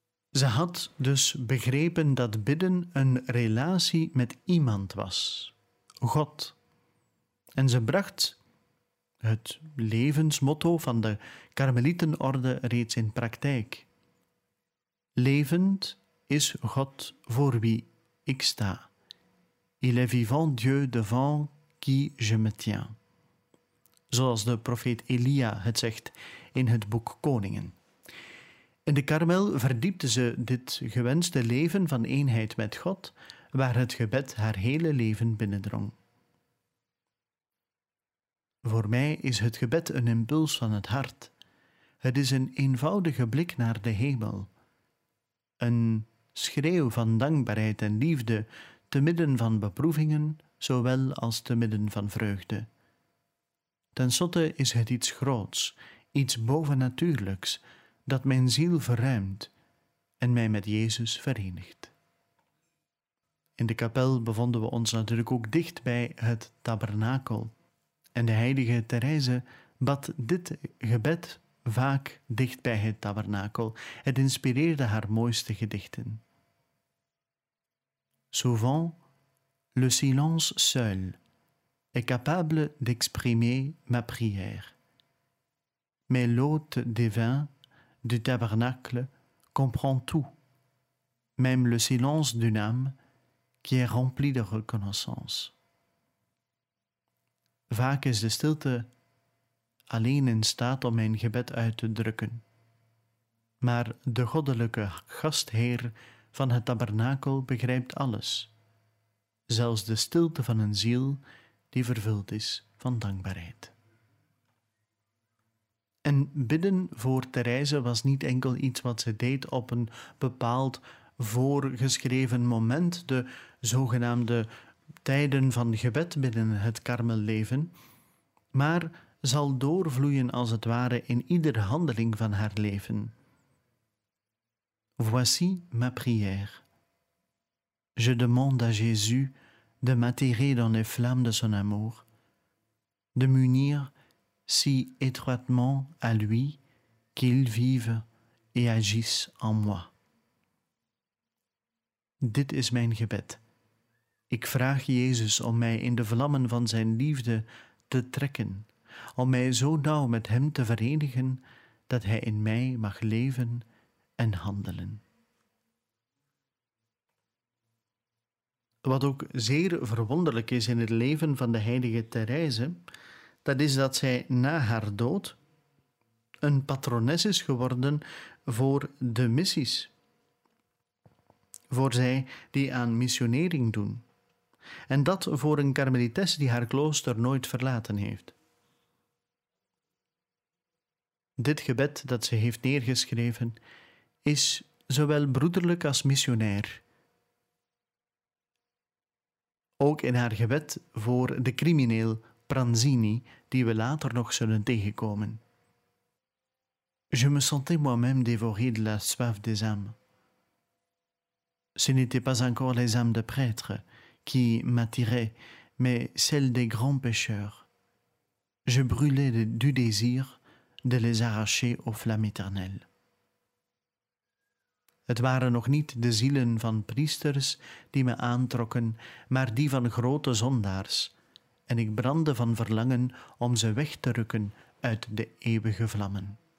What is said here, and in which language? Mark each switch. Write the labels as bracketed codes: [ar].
[nl] Ze had dus begrepen dat bidden een relatie met iemand was, God. En ze bracht het levensmotto van de Karmelietenorde reeds in praktijk. Levend is God voor wie ik sta. [fr] Il est vivant Dieu devant qui je me tiens. [nl] Zoals de profeet Elia het zegt in het boek Koningen. In de Karmel verdiepte ze dit gewenste leven van eenheid met God, waar het gebed haar hele leven binnendrong. Voor mij is het gebed een impuls van het hart. Het is een eenvoudige blik naar de hemel. Een schreeuw van dankbaarheid en liefde, te midden van beproevingen, zowel als te midden van vreugde. Ten slotte is het iets groots, iets bovennatuurlijks, dat mijn ziel verruimt en mij met Jezus verenigt. In de kapel bevonden we ons natuurlijk ook dicht bij het tabernakel. En de heilige Thérèse bad dit gebed vaak dicht bij het tabernakel. Het inspireerde haar mooiste gedichten. [fr] Souvent, le silence seul est capable d'exprimer ma prière. Mais l'hôte divin du tabernacle comprend tout, même le silence d'une âme qui est remplie de reconnaissance. [nl] Vaak is de stilte alleen in staat om mijn gebed uit te drukken. Maar de goddelijke gastheer van het tabernakel begrijpt alles. Zelfs de stilte van een ziel die vervuld is van dankbaarheid. En bidden voor Thérèse was niet enkel iets wat ze deed op een bepaald voorgeschreven moment, de zogenaamde tijden van gebed binnen het Karmelleven, maar zal doorvloeien als het ware in iedere handeling van haar leven. [fr] Voici ma prière. Je demande à Jésus de m'attirer dans les flammes de son amour, de m'unir si étroitement à lui qu'il vive et agisse en moi. [nl] Dit is mijn gebed. Ik vraag Jezus om mij in de vlammen van zijn liefde te trekken, om mij zo nauw met hem te verenigen dat hij in mij mag leven en handelen. Wat ook zeer verwonderlijk is in het leven van de heilige Thérèse, dat is dat zij na haar dood een patrones is geworden voor de missies, voor zij die aan missionering doen. En dat voor een karmelites die haar klooster nooit verlaten heeft. Dit gebed dat ze heeft neergeschreven is zowel broederlijk als missionair. Ook in haar gebed voor de crimineel Pranzini, die we later nog zullen tegenkomen. [fr] Je me sentais moi-même dévoré de la soif des âmes. Ce n'étaient pas encore les âmes de prêtres qui m'attiraient, mais celles des grands pécheurs. Je brûlais du désir de les arracher aux flammes éternelles. [nl] Het waren nog niet de zielen van priesters die me aantrokken, maar die van grote zondaars, en ik brandde van verlangen om ze weg te rukken uit de eeuwige vlammen.